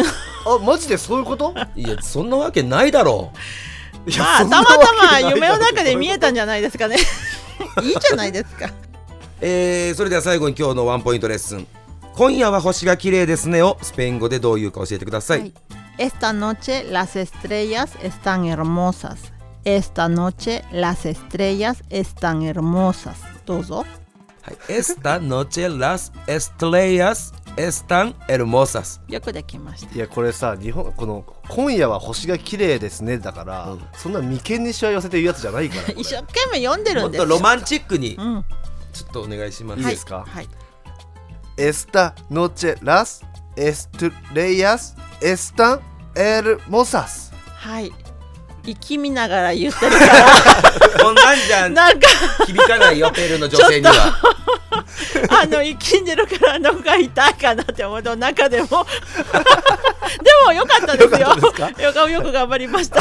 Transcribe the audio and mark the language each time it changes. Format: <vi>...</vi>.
<ja>あ、マジでそういうこと。いや、そんなわけないだろう。まあ、たまたま夢の中で見えたんじゃないですかね。いいじゃないですか。それでは最後に今日のワンポイントレッスン。今夜は星が綺麗ですねをスペイン語でどういうか教えてください。はい、</ja> <es>Esta noche las estrellas están hermosas. Esta noche las estrellas están hermosas.</es> <ja>どうぞ。</ja> <es>はい、Esta noche las estrellas están hermosas。</es> <ja>よくできました。いや、これさ、日本、この今夜は星が綺麗ですねだから、うん、そんな眉間にしわ寄せて言うやつじゃないから。一生懸命読んでるんです。もっとロマンチックに、うん、ちょっとお願いします。いいですか。はい、</ja> <es>Esta noche las estrellas están hermosas。</es> <ja>はい、息見ながら言ってるから。こんなんじゃなんか響かないよ、ペルの女性には。あの、生きんでるからのが痛いかなって思うの中でも。でも良かったですよ。よく頑張りました。</ja>